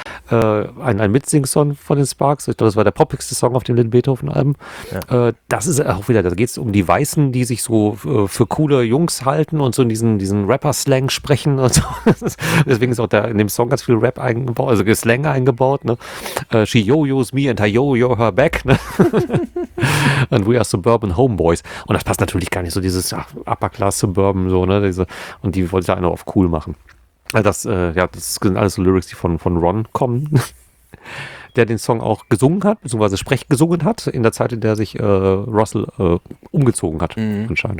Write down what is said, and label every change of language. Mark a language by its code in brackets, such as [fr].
[de] Ein Mitsing-Song von den Sparks, ich glaube, das war der poppigste Song auf dem Little Beethoven-Album. Ja. Das ist auch wieder, da geht es um die Weißen, die sich so für coole Jungs halten und so in diesen Rapper-Slang sprechen und so. Deswegen ist auch da in dem Song ganz viel Rap eingebaut, also Slang eingebaut. Ne? [en] She yo-yos me and I yo-yo her back. Ne? And we are suburban homeboys. [de] Und das passt natürlich gar nicht so, dieses Upper-Class-Suburban so, ne? Und die wollte ich da einfach auf cool machen. Das sind alles so Lyrics, die von Ron kommen, der den Song auch gesungen hat, beziehungsweise sprechgesungen hat, in der Zeit, in der sich Russell umgezogen hat, anscheinend.